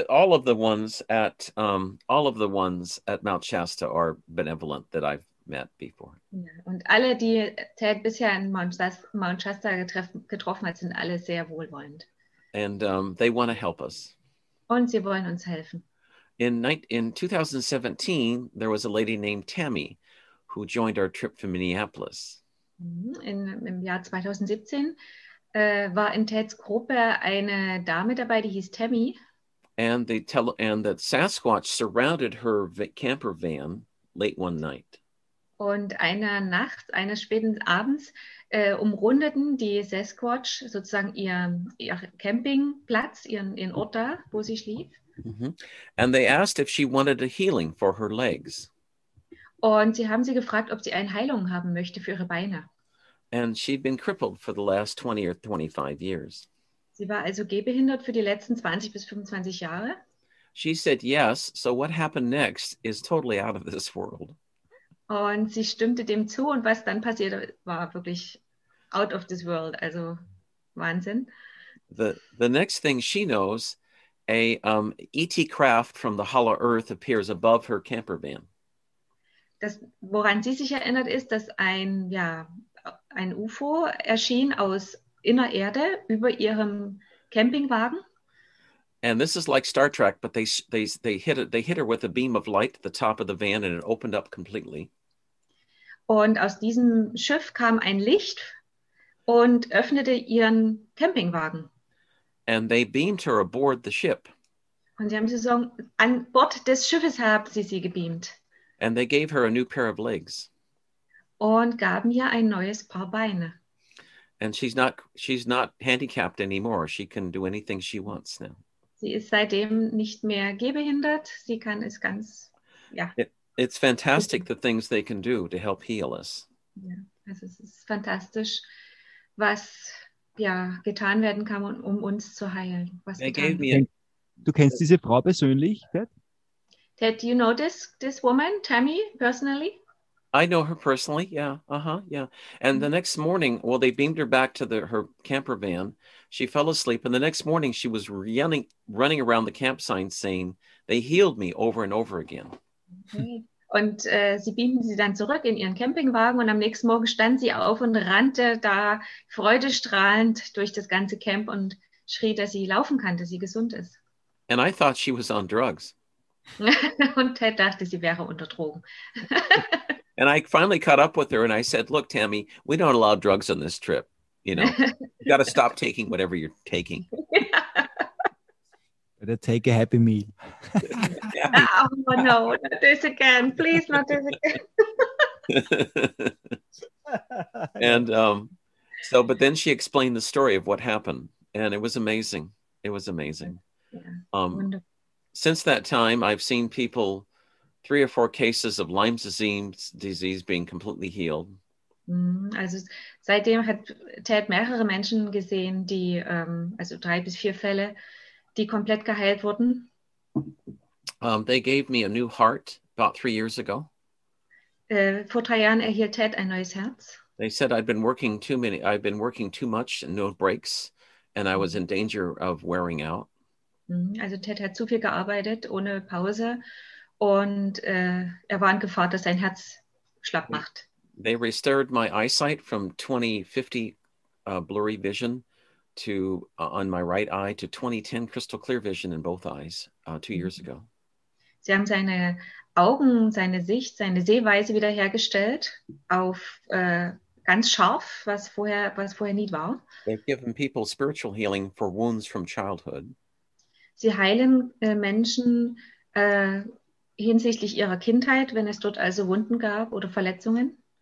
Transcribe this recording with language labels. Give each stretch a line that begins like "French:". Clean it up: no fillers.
English: But all of the ones at Mount Shasta are benevolent that I've met before.
German: Ja, und alle, die Ted bisher in Mount Shasta getroffen hat, sind alle sehr wohlwollend.
English: And they want to help us.
German: Und sie wollen uns helfen.
English: In 2017, there was a lady named Tammy who joined our trip from Minneapolis.
German: Im Jahr 2017 war in Teds Gruppe eine Dame dabei, die hieß Tammy.
English: And the Sasquatch surrounded her camper van late one night.
German: Und einer Nacht, eines späten Abends, umrundeten die Sasquatch sozusagen ihr Campingplatz, ihren Ort da, wo sie schlief.
English: Mm-hmm. And they asked if she wanted a healing for her legs.
German: Und sie haben sie gefragt, ob sie eine Heilung haben möchte für ihre Beine.
English: And she'd been crippled for the last 20 or 25 years.
German: Sie war also gehbehindert für die letzten 20 bis 25 Jahre.
English: She said yes, so what happened next is totally out of this world.
German: Und sie stimmte dem zu und was dann passierte, war wirklich
English: out of this world,
German: also Wahnsinn.
English: The next thing she knows, a ET craft from the hollow earth appears above her camper van.
German: Das, woran sie sich erinnert ist, dass ein UFO erschien aus inner Erde über ihrem Campingwagen.
English: And this is like Star Trek, but they hit her with a beam of light at the top of the van and it opened up completely.
German: Und aus diesem Schiff kam ein Licht und öffnete ihren Campingwagen.
English: And they beamed her aboard the ship.
German: Und sie haben gesagt, an Bord des Schiffes haben sie sie gebeamt.
English: And they gave her a new pair of legs.
German: Und gaben ihr ein neues Paar Beine.
English: And she's not handicapped anymore. She can do anything she wants now.
German: Sie ist seitdem nicht mehr gehbehindert. Sie kann es ganz, ja.
English: It's fantastic the things they can do to help heal us.
German: Ja, also es ist fantastisch, was ja getan werden kann, um uns zu heilen. Was
English: they gave me
German: du kennst diese Frau persönlich, Ted?
English: Ted, do you know this woman, Tammy, personally? I know her personally, yeah. Uh-huh, yeah. And the next morning, well, they beamed her back to her camper van. She fell asleep, and the next morning she was running around the campsite saying, they healed me over and over again. Okay.
German: Und sie beamten sie dann zurück in ihren Campingwagen und am nächsten Morgen stand sie auf und rannte da freudestrahlend durch das ganze Camp und schrie, dass sie laufen kann, dass sie gesund ist.
English: And I thought she was on drugs.
German: Und Ted dachte, sie wäre unter Drogen.
English: And I finally caught up with her and I said, look, Tammy, we don't allow drugs on this trip. You know, you got to stop taking whatever you're taking. Better take a happy meal. Yeah. Oh, no, not this again. Please, not this again. And but then she explained the story of what happened. And it was amazing. It was amazing. Yeah. Since that time, I've seen people, 3 or 4 cases of Lyme disease being completely healed.
German: Also seitdem hat Ted mehrere Menschen gesehen, die, also 3 bis 4 Fälle, die komplett geheilt wurden.
English: They gave me a new heart about 3 years ago.
German: Vor 3 Jahren erhielt Ted ein neues Herz.
English: They said I've been working too much and no breaks, and I was in danger of wearing out.
German: Also Ted hat zu viel gearbeitet, ohne Pause, und war in Gefahr, dass sein Herz schlapp macht.
English: They restored my eyesight from 20/50 blurry vision to on my right eye to 20/10 crystal clear vision in both eyes 2 years ago.
German: Sie haben seine Augen, seine Sicht, seine Sehweise wiederhergestellt auf ganz scharf, was vorher nie war.
English: They've given people spiritual healing for wounds from childhood.
German: Sie heilen Menschen hinsichtlich ihrer Kindheit, wenn es dort also Wunden gab oder Verletzungen.